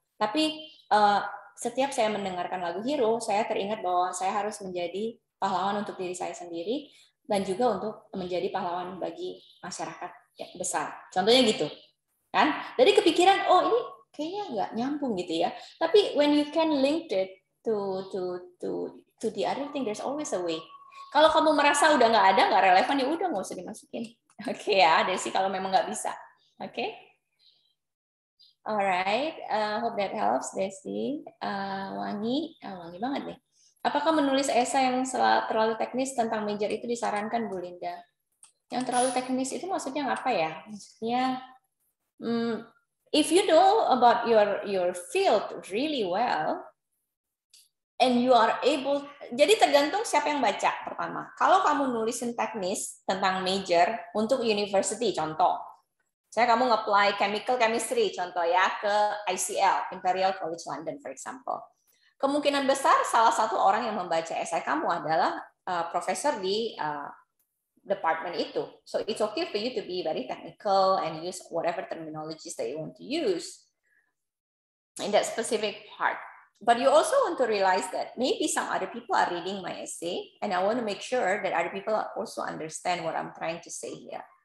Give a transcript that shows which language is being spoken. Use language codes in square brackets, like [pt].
[id] Tapi setiap saya mendengarkan lagu Hero, saya teringat bahwa saya harus menjadi pahlawan untuk diri saya sendiri, dan juga untuk menjadi pahlawan bagi masyarakat besar. Contohnya gitu, kan? Jadi kepikiran, oh ini kayaknya nggak nyambung gitu ya. Tapi [en] when you can link it to the other thing, there's always a way. [id] Kalau kamu merasa udah nggak ada, nggak relevan, ya udah nggak usah dimasukin. Oke ya, Desi, kalau memang nggak bisa. Oke? [en] Alright, hope that helps, [id] Desi. Wangi banget deh. Apakah menulis esai yang terlalu teknis tentang major itu disarankan, Bu Linda? Yang terlalu teknis itu maksudnya apa ya? [en] Maksudnya, if you know about your field really well, and you are able, [id] jadi tergantung siapa yang baca pertama. Kalau kamu nulisin teknis tentang major untuk university, contoh, misalnya kamu nge-apply chemical chemistry, contoh ya, ke ICL, Imperial College London, [en] for example. [id] Kemungkinan besar salah satu orang yang membaca esai kamu adalah profesor di department itu. [en] So it's okay for you to be very technical and use whatever terminologies that you want to use in that specific part. But you also want to realize that maybe some other people are reading my essay and I want to make sure that other people also understand what I'm trying to say here.